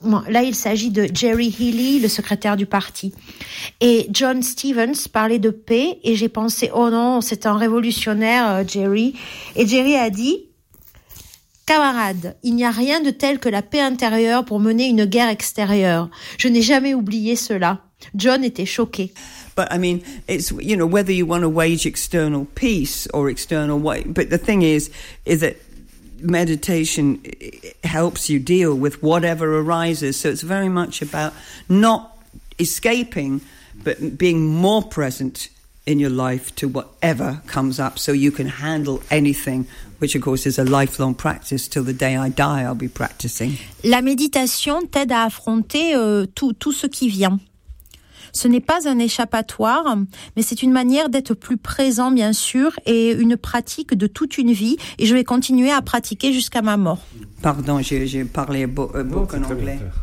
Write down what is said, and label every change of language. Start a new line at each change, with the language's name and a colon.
French: Là, il s'agit de Jerry Healy, le secrétaire du parti. Et John Stevens parlait de paix et j'ai pensé, oh non, c'est un révolutionnaire, Jerry. Et Jerry a dit, camarade, il n'y a rien de tel que la paix intérieure pour mener une guerre extérieure. Je n'ai jamais oublié cela. John était choqué.
English: But I mean, it's, you know, whether you want to wage external peace or external war, but the thing is that meditation helps you deal with whatever arises. So it's very much about not escaping, but being more present in your life to whatever comes up so you can handle anything, which of course is a lifelong practice. Till the day I die, I'll be practicing.
French: La méditation t'aide à affronter tout ce qui vient. Ce n'est pas un échappatoire, mais c'est une manière d'être plus présent, bien sûr, et une pratique de toute une vie. Et je vais continuer à pratiquer jusqu'à ma mort. Pardon, j'ai parlé beaucoup en anglais.